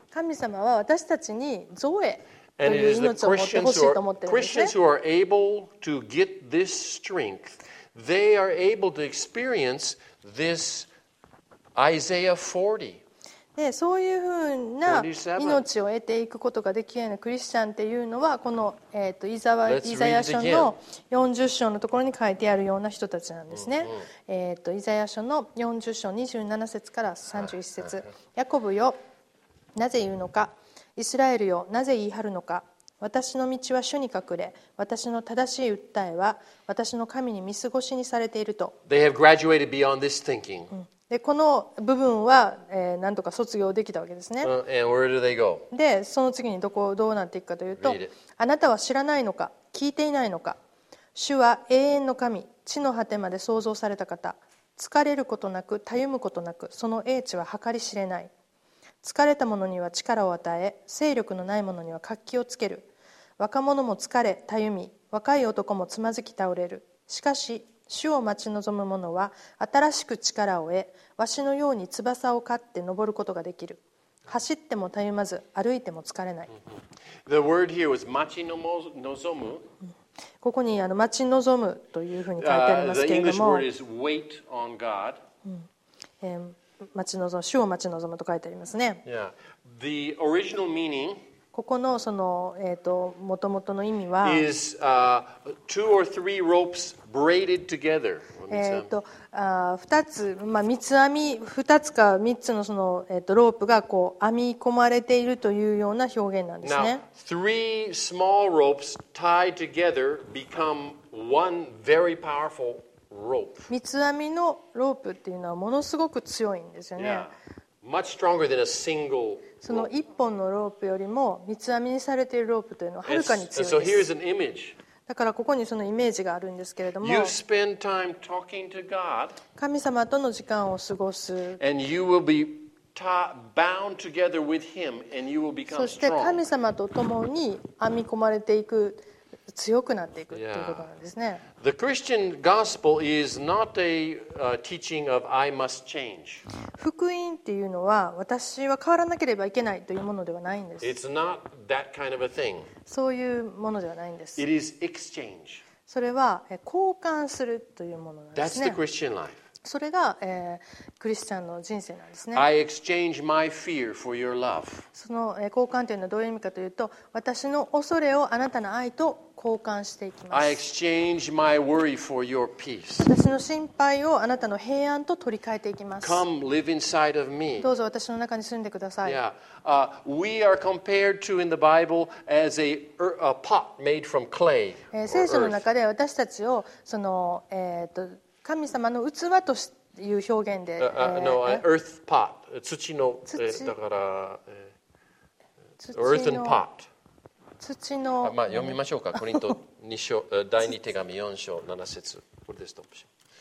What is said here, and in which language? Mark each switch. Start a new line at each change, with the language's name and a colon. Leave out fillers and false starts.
Japanese: 神様は私たちにゾエという命を持ってほしいと思っているんですね。
English: Christians who are able to get this strength, they are able to experience this Isaiah 40.
Japanese: で、そういうふうな命を得ていくことができるようなクリスチャンというのはこの、イザヤ書の40章のところに書いてあるような人たちなんですね。イザヤ書の40章27節から31節。ヤコブよ、なぜ言うのか。イスラエルよ、なぜ言い張るのか。私の道は主に隠れ、私の正しい訴えは私の神に見過ごしにされていると。
English: They have graduated beyond this thinking.
Japanese: でこの部分は、なんとか卒業できたわけですね。
English: And where do they go?
Japanese: でその次にどうなっていくかというと、あなたは知らないのか、聞いていないのか。主は永遠の神、地の果てまで創造された方。疲れることなく、たゆむことなく、その英知は計り知れない。疲れた者には力を与え、勢力のない者には活気をつける。若者も疲れたゆみ、若い男もつまずき倒れる。しかし主を待ち望む者は新しく力を得、わしのように翼を飼って登ることができる。走ってもたゆまず、歩いても疲れない。
English: The word here was 待ち望む。
Japanese: ここに待ち望むというふうに書いてありますけれども、
English: the English word is wait on God.
Japanese: 待ち望む、主を待ち望むと書いてありますね。
English: Yeah. The original meaning,
Japanese: ここのその、元々の意味は
English: is, two or three ropes braided together.
Japanese: 2つ、三つ編み、2つか3つ の, その、ロープがこう編み込まれているというような表現なんですね。
English: Now, three small ropes tied together become one very powerful rope.
Japanese: 三つ編みのロープっていうのはものすごく強いんですよね。
English: Yeah. Much stronger than a single rope.
Japanese: その一本のロープよりも三つ編みにされているロープというのははるかに強いです。
English: And so here is an image.
Japanese: だからここにそのイメージがあるんですけれども、
English: you spend time talking to God,
Japanese: 神様との時間を過ごす。
English: And you will be bound together with him and you will become strong.
Japanese: そして神様と共に編み込まれていく。強くなっていくということなんですね。
English: The Christian gospel is not a teaching of I must change.
Japanese: 福音っていうのは私は変わらなければいけないというものではないんです。
English: It's not that kind of a thing.
Japanese: そういうものではないんです。
English: It is exchange.
Japanese: それは交換するというものなんですね。
English: That's the Christian life.
Japanese: それが、クリスチャンの人生なんですね。
English: I exchange my fear for your love.
Japanese: その、交換というのはどういう意味かというと、私の恐れをあなたの愛と交換していきます。
English: I exchange my worry for your peace.
Japanese: 私の心配をあなたの平安と取り替えていきます。
English: Come live inside of me.
Japanese: どうぞ私の中に住んでください。
English: Yeah. We are compared to in the Bible as a pot made from clay.
Japanese: 聖書の中で私たちをその、神様の器という表現で、
English: earth pot.
Japanese: 土の、だから、
English: earthen pot.
Japanese: 土の、読みましょうか。コリント2章第2手紙4章7節、これでストップします。